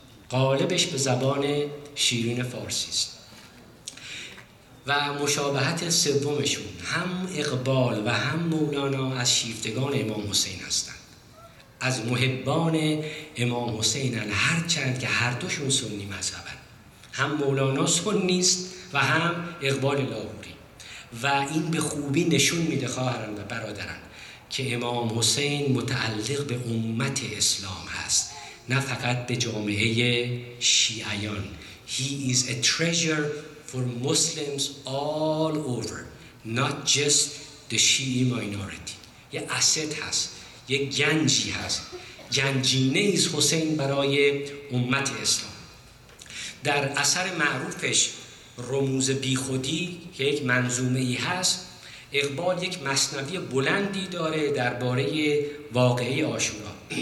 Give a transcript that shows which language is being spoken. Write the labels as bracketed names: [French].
[Persian] غالبش به زبان شیرین فارسی است. و مشابهت سومشون، هم اقبال و هم مولانا از شیفتگان امام حسین هستند، از محبان امام حسین هستند، هرچند که هر دوشون سنی مذهبند. هم مولانا سنی است و هم اقبال لاهوری. و این به خوبی نشون میده خواهران و برادران که امام حسین متعلق به امت اسلام هست، نه فقط به جامعه شیعیان. [English] He is a treasure for Muslims all over, not just the Shi'i minority. [Persian] یه اسد هست، یه گنجی هست، گنجینه ایز حسین برای امت اسلام. در اثر معروفش رموز بیخودی که یک منظومه ای هست، اقبال یک مثنوی بلندی داره درباره واقعه عاشورا.